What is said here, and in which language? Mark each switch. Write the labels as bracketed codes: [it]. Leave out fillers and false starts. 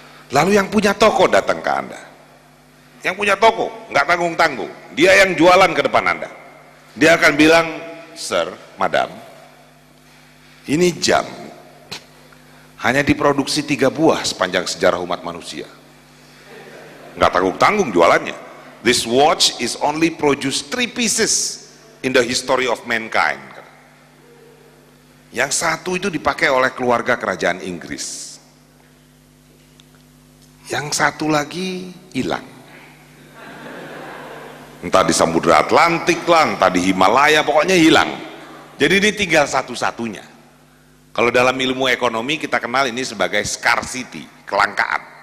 [id] Lalu yang punya toko datang ke Anda. Yang punya toko, gak tanggung-tanggung. Dia yang jualan ke depan Anda. Dia akan bilang, Sir, Madam, ini jam hanya diproduksi 3 buah sepanjang sejarah umat manusia. Gak tanggung-tanggung jualannya. [en] This watch is only produced 3 pieces in the history of mankind. [id] Yang satu itu dipakai oleh keluarga kerajaan Inggris. Yang satu lagi hilang. Entah di Samudra Atlantik lah, entah di Himalaya, pokoknya hilang. Jadi ini tinggal satu-satunya. Kalau dalam ilmu ekonomi kita kenal ini sebagai scarcity, kelangkaan.